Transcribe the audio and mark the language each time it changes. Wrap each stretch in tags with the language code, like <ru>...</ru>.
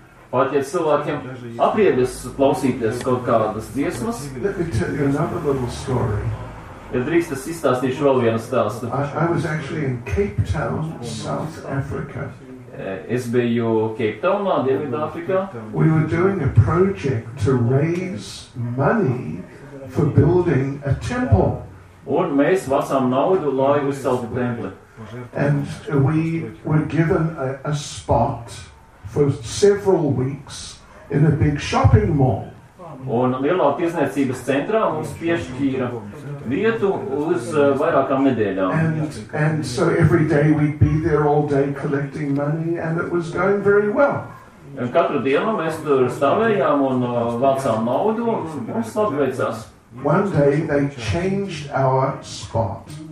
<lv>Pat ja cilvēkiem apriebjas klausīties kaut kādas dziesmas.</lv> <en>Let me tell you another little story.</en> <lv>Ja drīkst, es izstāstīšu vēl vienu stāstu.</lv> <en>I was actually in Cape Town, South Africa.</en> <lv>Es biju Cape Townā, Dienvidāfrikā.</lv> <en>We were doing a project to raise money for building a temple.</en> <lv>Un mēs vasām naudu, lai uzceltu templi.</lv> <en>And we were given a spot for several weeks in a big shopping mall.</en> <lv>Un lielā tiesniecības centrā mums piešķīra vietu uz vairākām nedēļām.</lv> <en>And so every day we'd be there all day collecting money and it was going very well.</en> <lv>Un katru dienu mēs tur stāvējām un vācām naudu un mums labi veicās.</lv> <en>One day they changed our spot.</en>